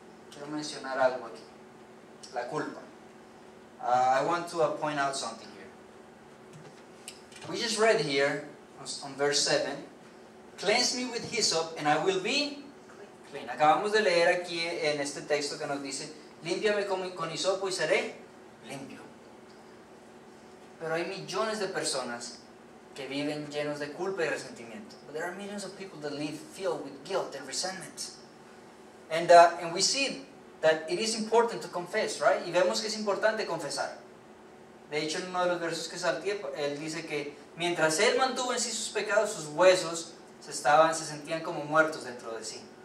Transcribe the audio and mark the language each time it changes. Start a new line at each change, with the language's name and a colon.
Spanish: Quiero mencionar algo aquí. La culpa.
English: I want to point out something here. We just read here on verse 7. Cleanse me with hyssop and I will be clean.
Spanish: Acabamos de leer aquí en este texto que nos dice, límpiame con hisopo y seré limpio. Pero hay millones de personas que viven llenos de culpa y resentimiento.
English: But there are millions of people that live filled with guilt and resentment. And we see that it is important to confess, right?
Spanish: Y vemos que es importante confesar. De hecho, en uno de los versos que salté, él dice que mientras él mantuvo en sí sus pecados, sus huesos se sentían como muertos dentro de sí.